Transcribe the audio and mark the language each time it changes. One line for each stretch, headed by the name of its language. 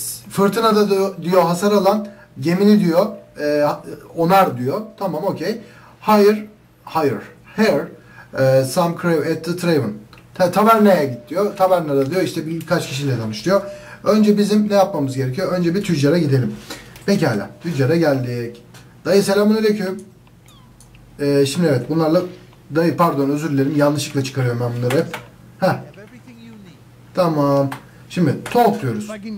Turkish: Fırtınada diyor hasar alan gemini diyor onar diyor. Tamam, okey.
English: Hire some crew at the tavern.
Turkish: Taverna'ya git diyor. Taverna'da diyor işte birkaç kişiyle tanış diyor. Önce bizim ne yapmamız gerekiyor? Önce bir tüccara gidelim. Pekala, tüccara geldik. Dayı selamünaleyküm. Şimdi evet, bunlarla... Dayı pardon, özür dilerim. Yanlışlıkla çıkarıyorum ben bunları hep. Heh. Tamam. Şimdi talk diyoruz.